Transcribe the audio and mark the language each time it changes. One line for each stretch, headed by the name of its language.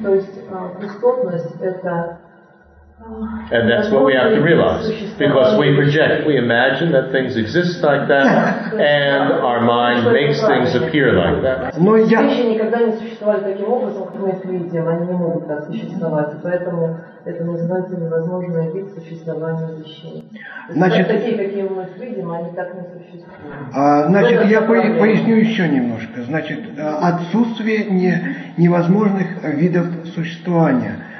Russian: То есть, бесплодность – это…
English: And that's what we have to realize. Because we project, we imagine that things exist like that, and our mind makes things appear like that.
Russian: Но я… Вещи никогда не существовали таким образом, мы их видим, они не могут так существовать. Поэтому это называется невозможный вид существования вещей. Значит… Такие, какие мы их видим, они так не существуют. Значит, я поясню еще немножко. Значит, отсутствие невозможных видов существования.